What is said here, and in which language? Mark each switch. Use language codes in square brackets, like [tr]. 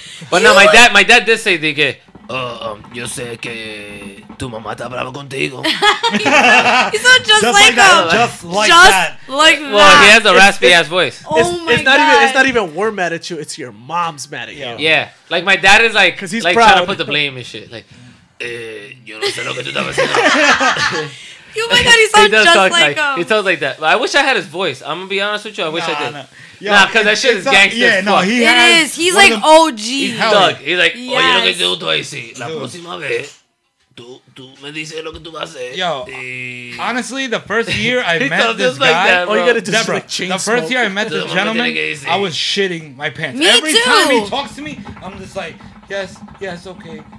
[en] But no, my dad did say, [es] dije, yo sé que tu mamá está brava contigo. [en] He's not just like that. Well, he has a raspy ass voice. It's not even we're mad at you. It's your mom's mad at you. Yeah, like my dad is like, he's like trying to put the blame and shit. [es] Like, yo no sé lo que tú estás haciendo. [en] Oh my god, he sounds just like him. He sounds like that. But I wish I had his voice. I'm gonna be honest with you. I wish I did. Nah, because that shit is gangster. Yeah, no, he it has. It is. He's like OG. He's like, yes. [es] Oye, lo que tú vas a decir. La próxima vez, tú me dices lo que tú vas a hacer. [en] Yo. Honestly, the first year I met this guy. Like that, all you gotta do is like chain the first year I met this gentleman, I was shitting my pants. Me every too. Time he talks to me, I'm just like, yes, okay.